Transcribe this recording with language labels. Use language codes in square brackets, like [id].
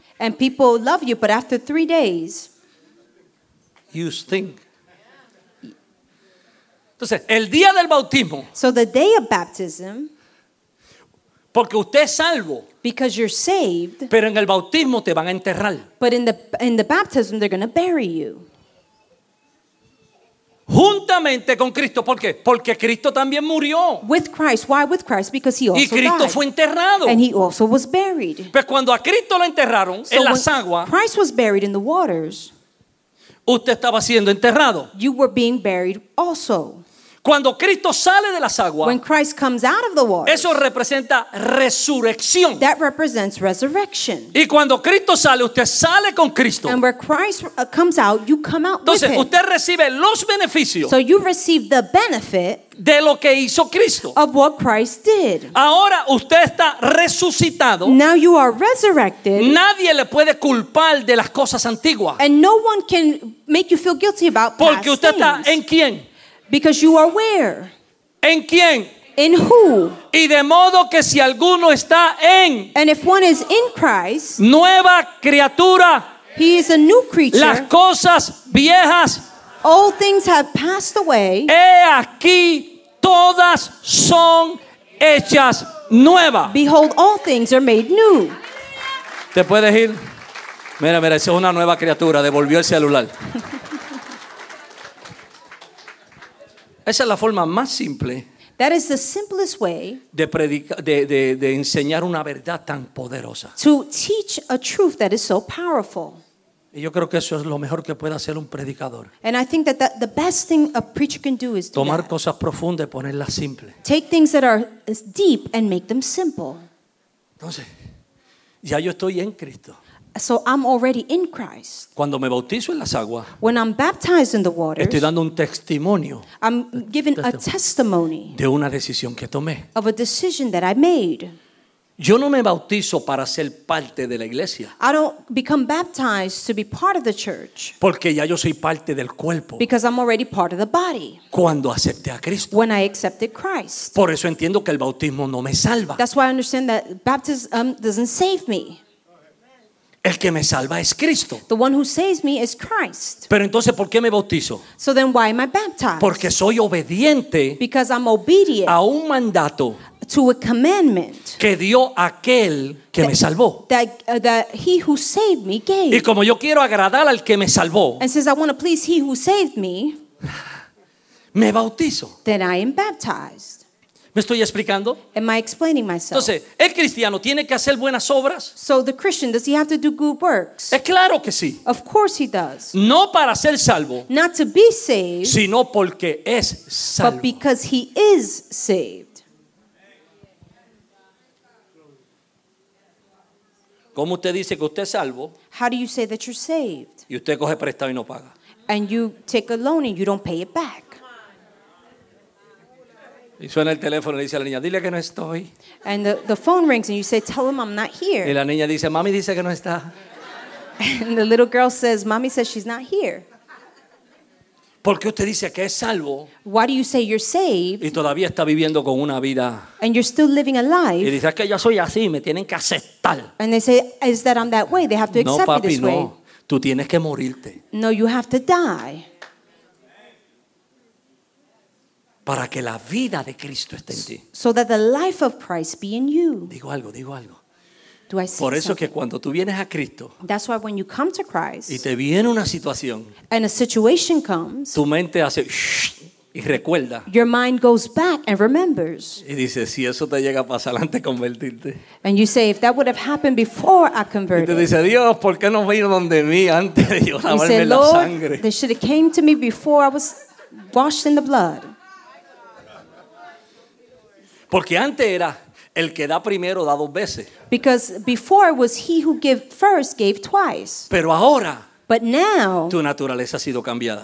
[en] And people love you, but after 3 days. You stink. [es] Entonces, el día del bautismo. [en] So the day of baptism. [es] Porque usted es salvo. [en] Because you're saved. [es] Pero en el bautismo te van a enterrar. [en] But in the baptism they're going to bury you. [es] Juntamente con Cristo, ¿por qué? Porque Cristo también murió. [en] With Christ, why with Christ? Because he also died. [es] Y Cristo fue enterrado. [en] And he also was buried. [es] Pues cuando a Cristo lo enterraron [en] so [es] en las aguas. [en] Christ was buried in the waters. [es] Usted estaba siendo enterrado. [en] You were being buried also. [es] Cuando Cristo sale de las aguas. [en] When Christ comes out of the waters. [es] Eso representa resurrección. [en] That represents resurrection. [es] Y cuando Cristo sale, usted sale con Cristo. [en] And where Christ comes out, you come out [es] entonces, [en] with him. [es] Entonces usted recibe los beneficios. [en] So you receive the benefit. [es] De lo que hizo Cristo. [en] Of what Christ did. [es] Ahora usted está resucitado. [en] Now you are resurrected. [es] Nadie le puede culpar de las cosas antiguas. [en] And no one can make you feel guilty about past [es] porque usted [en] things. [es] Está en quién. [en] Because you are where? [es] ¿En quién? [en] In who? [es] Y de modo que si alguno está en. [en] And if one is in Christ. [es] Nueva criatura. [en] He is a new creature. [es] Las cosas viejas. [en] All things have passed away. [es] He aquí todas son hechas nuevas. [en] Behold, all things are made new. [es] ¿Te puedes ir? Mira, mira, esa es una nueva criatura. Devolvió el celular. Esa es la forma más simple. [en] That is the simplest way [es] de predicar, de enseñar una verdad tan poderosa. [en] To teach a truth that is so powerful. [es] Y yo creo que eso es lo mejor que puede hacer un predicador. [en] And I think that the best thing a preacher can do is do [es] tomar [en] that. [es] Cosas profundas y ponerlas simples. [en] Take things that are deep and make them simple. [es] Entonces, ya yo estoy en Cristo. [en] So I'm already in Christ. [es] Cuando me bautizo en las aguas, [en] when I'm baptized in the waters, [es] estoy dando un testimonio, [en] I'm giving a testimony [es] de una decisión que tomé. [en] Of a decision that I made. [es] Yo no me bautizo para ser parte de la iglesia. [en] I don't become baptized to be part of the church. [es] Porque ya yo soy parte del cuerpo. [en] Because I'm already part of the body. [es] Cuando acepté a Cristo. [en] When I accepted Christ. [es] Por eso entiendo que el bautismo no me salva. [en] That's why I understand that baptism doesn't save me. [es] El que me salva es Cristo. [en] The one who saves me is Christ. [es] Pero entonces, ¿por qué me bautizo? [en] So then why am I baptized? [es] Porque soy obediente. [en] Because I'm obedient. [es] A un mandato. [en] To a commandment. [es] Que dio aquel que me salvó. [en] That he who saved me gave. [es] Y como yo quiero agradar al que me salvó. [en] And since I want to please he who saved me. [es] Me bautizo. [en] Then I am baptized. [es] ¿Me estoy explicando? [en] Am I explaining myself? [es] Entonces, ¿el cristiano tiene que hacer buenas obras? [en] So the Christian, does he have to do good works? [es] Es claro que sí. [en] Of course he does. [es] No para ser salvo. [en] Not to be saved. [es] Sino porque es salvo. [en] But because he is saved. [es] ¿Cómo usted dice que usted es salvo? [en] How do you say that you're saved? [es] Y usted coge prestado y no paga. [en] And you take a loan and you don't pay it back. [es] Y suena el teléfono y le dice a la niña, dile que no estoy. [en] And the phone rings and you say, tell him I'm not here. [es] Y la niña dice, mami dice que no está. [en] And the little girl says, mommy says she's not here. [es] ¿Por qué usted dice que es salvo? [en] Why do you say you're saved? [es] Y todavía está viviendo con una vida. [en] And you're still living a life. [es] Y dice, es que yo soy así, me tienen que aceptar. [en] And they say, is that I'm that way? They have to accept [es] me this [en] way. [es] No, tú tienes que morirte. [en] No, you have to die. [es] Para que la vida de Cristo esté en ti. [en] So that the life of Christ be in you. [es] Digo algo. [en] Do I say [es] por eso [en] something? [es] Que cuando tú vienes a Cristo. [en] That's why when you come to Christ. [es] Y te viene una situación. [en] And a situation comes. [es] Tu mente hace shh, y recuerda. [en] Your mind goes back and remembers. [es] Y dice si eso te llega a pasar antes de convertirte. [en] And you say if that would have happened before I converted. [es] Y te dice Dios, ¿por qué no vino donde mí antes de yo lavarme la sangre? [en] They should have came to me before I was washed in the blood. [es] Porque antes era el que da primero da dos veces. [en] Because before was he who gave first gave twice. [es] Pero ahora. [en] But now. [es] Tu naturaleza ha sido cambiada.